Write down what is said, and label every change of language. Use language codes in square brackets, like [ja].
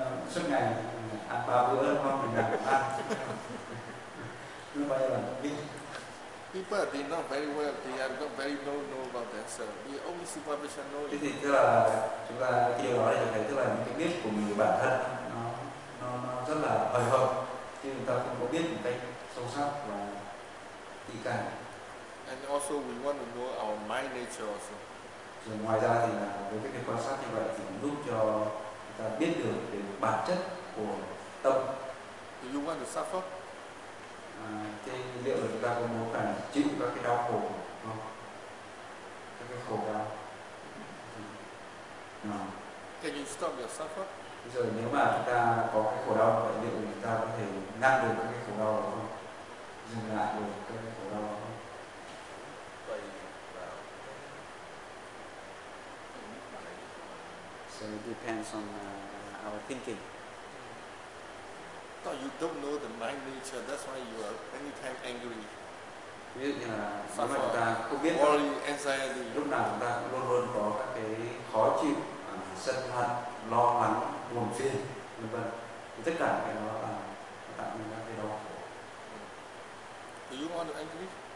[vi] Suốt ngày ăn ba bữa không mình ăn ba. Nuốt bao nhiêu lần đi? [en] People are not very well, they are not very know about that, so we only supervision know. [vi] Thế thì tức là chúng ta khi đó thì thấy tức là những cái biết của mình bản thân nó rất là hời hợt, chứ người ta không có biết một cách sâu sắc và kỹ càng. [en] And also we want to know our mind nature also. [vi] Rồi ngoài ra thì là với cái quan sát như vậy thì giúp cho người ta biết được cái bản chất của tâm. [en] Do you want to suffer? À, [vi] thế liệu là chúng ta có muốn cần chịu các cái đau khổ không? Các cái khổ đau. [en] No. Can you stop your suffer? [vi] Bây giờ nếu mà chúng ta có cái khổ đau vậy liệu chúng ta có thể ngăn được các cái khổ đau đó không? Dừng lại được [en] so it depends on our thinking. So you don't know the mind nature, that's why you are anytime angry. [vi] Ví dụ như là chúng ta không biết [en] all anxiety. [vi] Lúc nào chúng ta luôn luôn có các cái khó chịu, sân hận, lo lắng, buồn phiền, vân vân. Tất cả cái đó là tạo nên các cái đau khổ. [en] Do you want to angry?